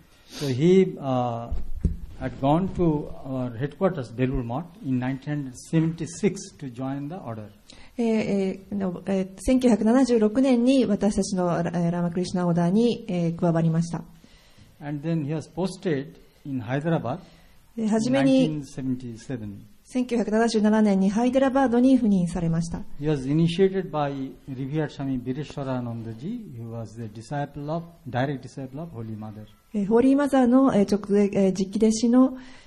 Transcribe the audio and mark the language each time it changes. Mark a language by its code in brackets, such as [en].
[en] So he had gone to our headquarters, Belur Math, in 1976 to join the order. [ja] 1976年に私たちのラマクリシナオーダーに加わりました。 [en] And then he was posted in Hyderabad. [ja] 初めに1977年にハイデラバードに赴任されました。 [en] He was initiated by Revered Swami Bireshwarananda Ji, who was the disciple of, direct disciple of Holy Mother. [ja] ホーリーマザーの直接実機弟子の